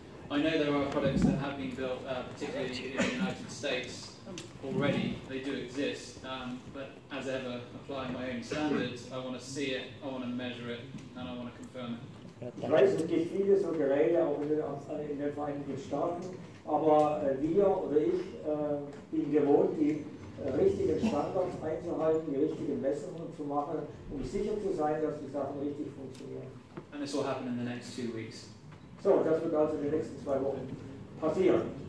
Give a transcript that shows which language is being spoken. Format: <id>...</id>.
<en>I know there are products that have been built, particularly in the United States already. They do exist, but as ever, applying my own standards, I want to see it, I want to measure it, and I want to confirm it.</en> <de>Ich weiß, es gibt viele so Geräte auch in den Vereinigten Staaten, aber wir oder ich bin gewohnt, die richtigen Standards einzuhalten, die richtigen Messungen zu machen, um sicher zu sein, dass die Sachen richtig funktionieren.</de> <en>And this will happen in the next 2 weeks.</en> <de>So, das wird also in den nächsten 2 Wochen passieren.</de>